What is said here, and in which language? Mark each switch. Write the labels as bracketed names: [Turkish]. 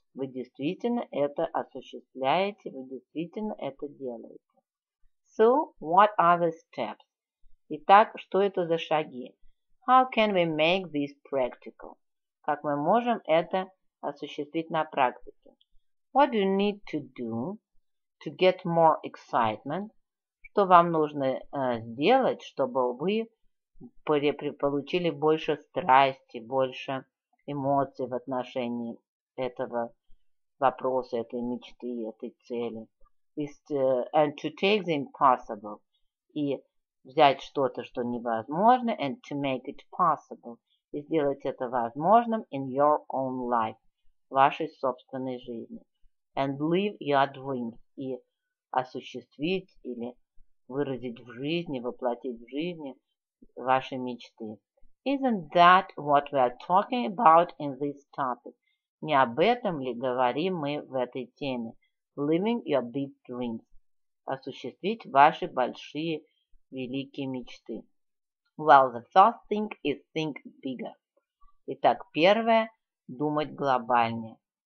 [Russian] Вы действительно это осуществляете. Вы действительно это делаете. [English] So, what are the steps? [Russian] Итак, что это за шаги? [English] How can we make this practical? [Russian] Как мы можем это осуществить на практике? [English] What do you need to do to get more excitement? [Russian] Что вам нужно сделать, чтобы вы получили больше страсти, больше эмоций в отношении этого вопроса, этой мечты, этой цели? [English] And to take the impossible. [Russian] И взять что-то, что невозможно, [English] and to make it possible, [Russian] и сделать это возможным [English] in your own life, [Russian] в вашей собственной жизни. [English] And live your dreams, [Russian] и осуществить или выразить в жизни, воплотить в жизни ваши мечты. [English] Isn't that what we are talking about in this topic? [Russian] Не об этом ли говорим мы в этой теме? [English] Living your big dreams, [Russian] осуществить ваши большие великие мечты. [English] Well, the first thing is think bigger. [Russian] Итак, первое, думать глобальнее.